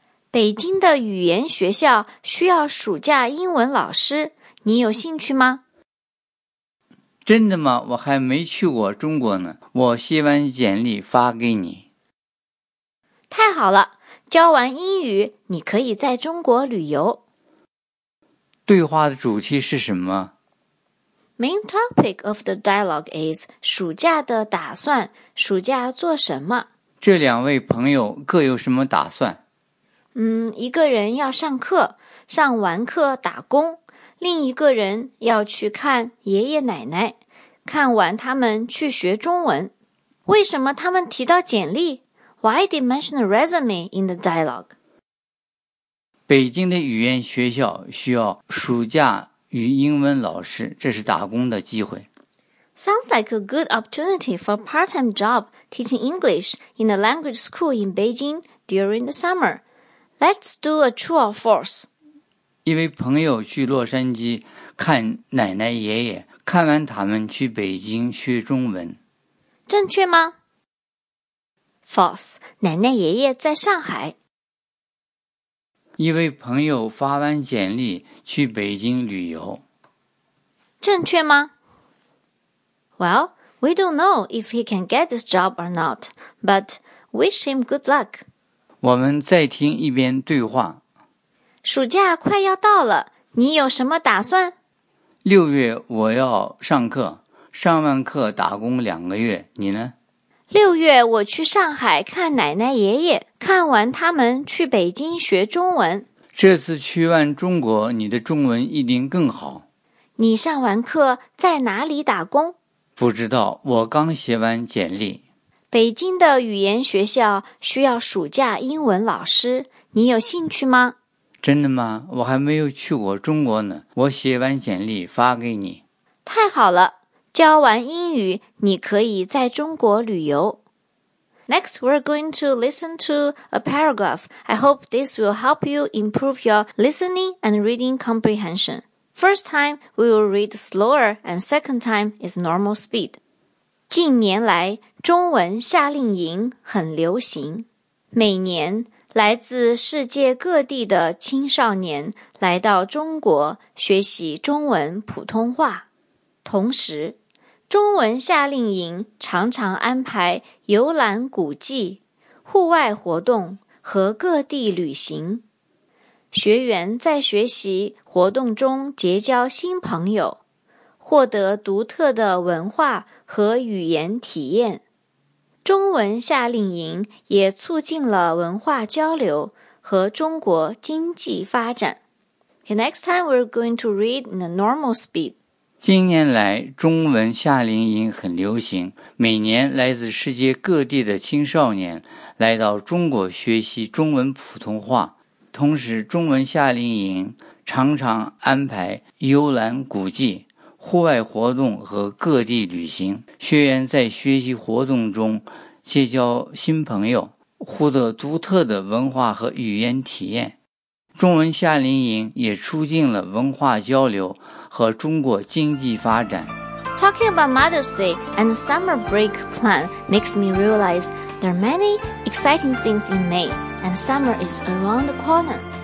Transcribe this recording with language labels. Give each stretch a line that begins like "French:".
Chinese: 北京的语言学校需要暑假英文老师，你有兴趣吗？真的吗？我还没去过中国呢，我写完简历发给你。太好了，教完英语，你可以在中国旅游。对话的主题是什么？
English: Main topic of the dialogue is
Chinese: 暑假的打算，暑假做什么？这两位朋友各有什么打算？一个人要上课，上完课打工，另一个人要去看爷爷奶奶，看完他们去学中文。为什么他们提到简历？
English: Why did mention a resume in the dialogue?
Chinese: 北京的语言学校需要暑假与英文老师，这是打工的机会。
English: Sounds like a good opportunity for a part-time job teaching English in a language school in Beijing during the summer. Let's do a true or false.
Chinese: 一位朋友去洛杉矶看奶奶爷爷，看完他们去北京学中文。正确吗？
English: False.
Chinese: 奶奶爷爷在上海。一位朋友发完简历去北京旅游。正确吗？
English: Well, we don't know if he can get this job or not, but wish him good luck.
Chinese: 我们再听一遍对话。暑假快要到了，你有什么打算？六月我要上课，上完课打工两个月，你呢？六月我去上海看奶奶爷爷，看完他们去北京学中文。这次去完中国，你的中文一定更好。你上完课在哪里打工？不知道，我刚写完简历。北京的语言学校需要暑假英文老师，你有兴趣吗？真的吗？我还没有去过中国呢，我写完简历发给你。太好了。教完英语，你可以在中国旅游。
English: Next, we're going to listen to a paragraph. I hope this will help you improve your listening and reading comprehension. First time, we will read slower, and second time is normal speed.
Chinese: 近年来，中文夏令营很流行。每年，来自世界各地的青少年来到中国学习中文普通话。同时，中文夏令营常常安排游览古迹、户外活动和各地旅行。学员在学习活动中结交新朋友，获得独特的文化和语言体验。中文夏令营也促进了文化交流和中国经济发展。
English: Okay, next time we're going to read in a normal speed.
Chinese: 近年来，中文夏令营很流行，每年来自世界各地的青少年来到中国学习中文普通话。同时，中文夏令营常常安排游览古迹、户外活动和各地旅行。学员在学习活动中结交新朋友，获得独特的文化和语言体验。中文夏令营也促进了文化交流和中国经济发展。
English: Talking about Mother's Day and the summer break plan makes me realize there are many exciting things in May, and summer is around the corner.